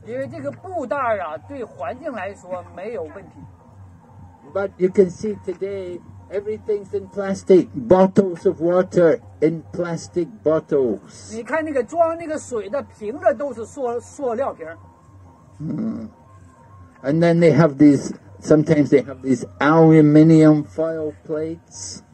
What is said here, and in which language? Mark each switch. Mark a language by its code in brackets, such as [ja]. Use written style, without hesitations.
[zh] 因为这个布袋啊，对环境来说没有问题。 [en] But you can see today, everything's in plastic. Bottles of water in plastic bottles. [zh] 你看那个装那个水的瓶子都是塑料瓶。 [en] And then they have these, sometimes they have these aluminium foil plates.